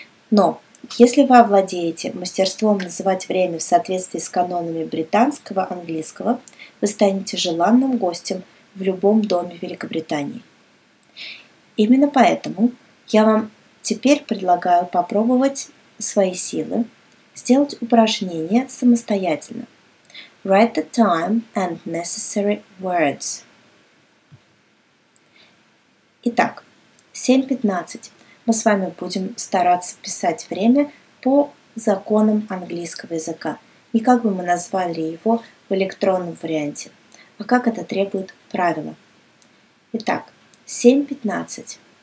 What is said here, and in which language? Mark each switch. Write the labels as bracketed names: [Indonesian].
[Russian] Но, если вы овладеете мастерством называть время в соответствии с канонами британского английского, вы станете желанным гостем в любом доме Великобритании. Именно поэтому я вам теперь предлагаю попробовать свои силы, сделать упражнение самостоятельно. [English] Write the time and necessary words. [Russian] Итак, 7:15. Мы с вами будем стараться писать время по законам английского языка. Не как бы мы назвали его в электронном варианте, а как это требует правила. Итак, 7:15.